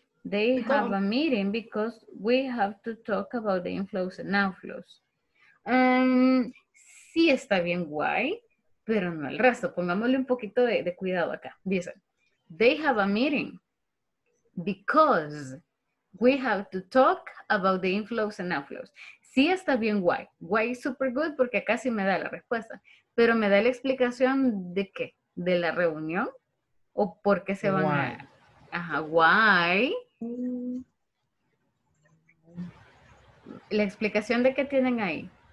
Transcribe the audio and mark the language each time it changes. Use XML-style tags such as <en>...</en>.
<en>They have a meeting because we have to talk about the inflows and outflows.</en> <es>Sí está bien why, pero no el resto. Pongámosle un poquito de cuidado acá. Dice,</es> <en>they have a meeting because we have to talk about the inflows and outflows.</en> <es>Sí está bien why.</es> <en>Why is super good</en> <es>porque acá sí me da la respuesta. Pero me da la explicación de qué, de la reunión o por qué se van a... Ajá, why. La explicación de qué tienen ahí.</es>